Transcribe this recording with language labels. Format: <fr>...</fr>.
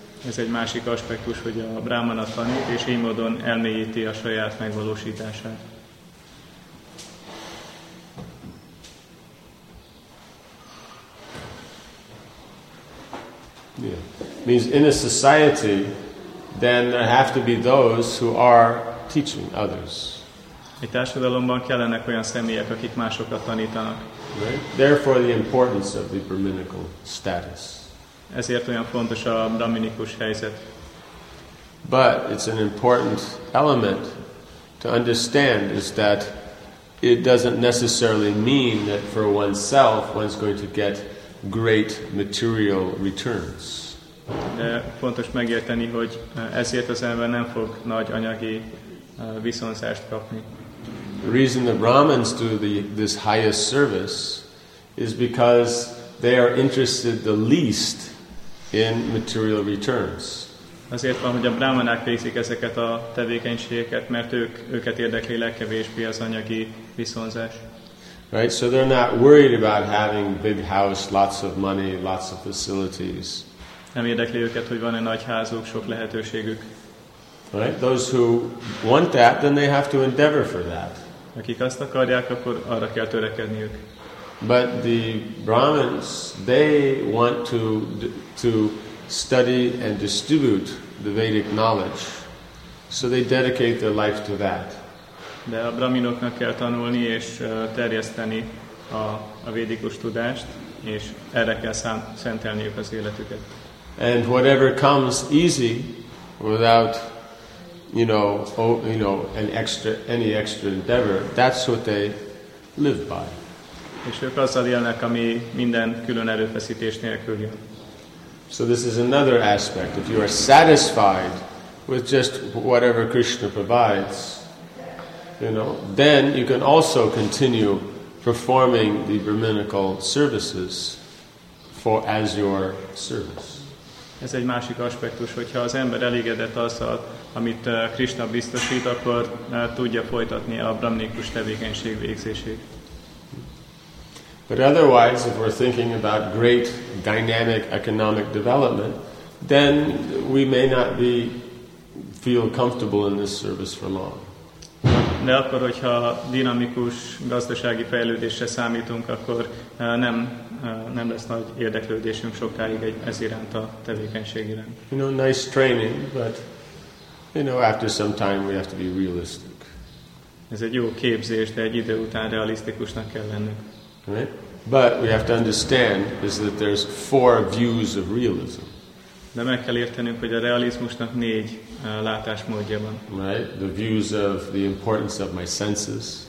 <hu>Ez egy másik aspektus, hogy a brahmana tanít, és így módon elmélyíti a saját megvalósítását.</hu> <en>Yeah. Means in a society, then there have to be those who are teaching others.</en> <hu>Egy társadalomban kellenek olyan személyek, akik másokat tanítanak.</hu> <en>Right? Therefore the importance of the brahminical status.</en> <hu>Ezért olyan fontos a brahminikus helyzet.</hu> <en>But it's an important element to understand is that it doesn't necessarily mean that for oneself one's going to get great material returns.</en> <hu>De fontos megérteni, hogy ezért az ember nem fog nagy anyagi viszonzást kapni.</hu> <en>The reason the Brahmins do this highest service is because they are interested the least in material returns.</en> <hu>Azért van, hogy a brahmanák végzik ezeket a tevékenységeket, mert őket érdekli legkevésbé az anyagi viszonzás.</hu> <en>Right, so they're not worried about having big house, lots of money, lots of facilities.</en> <hu>Nem érdekli őket, hogy van-e nagy házuk, sok lehetőségük.</hu> <en>Right, those who want that, then they have to endeavor for that.</en> <hu>Akik azt akarják, akkor arra kell törekedniük.</hu> <en>But the Brahmins, they want to study and distribute the Vedic knowledge. So they dedicate their life to that.</en> <hu>De a brahminoknak kell tanulni és terjeszteni a védikus tudást, és erre kell szentelniük az életüket.</hu> <en>And whatever comes easy, without, you know, any extra endeavor, that's what they live by.</en> <hu>És ők azzal élnek, ami minden külön erőfeszítés nélkül jön.</hu> <en>So this is another aspect. If you are satisfied with just whatever Krishna provides, you know, then you can also continue performing the brahminical services for as your service.</en> <hu>Ez egy másik aspektus, hogyha az ember elégedett azzal, amit Krishna biztosít, akkor tudja folytatni a brahminikus tevékenység végzését.</hu> <en>But otherwise, if we're thinking about great dynamic economic development, then we may not be feel comfortable in this service for long.</en> <hu>De akkor, hogyha dinamikus gazdasági fejlődésre számítunk, akkor nem lesz nagy érdeklődésünk sokáig ez iránt a tevékenység iránt.</hu> <en>You know, nice training, but you know, after some time we have to be realistic.</en> <hu>Ez egy jó képzés, de egy idő után realisztikusnak kell lennünk.</hu> <en>Right? But we have to understand is that there's four views of realism.</en> <hu>De meg kell értenünk, hogy a realizmusnak négy látásmódja van.</hu> <en>Right? The views of the importance of my senses.</en>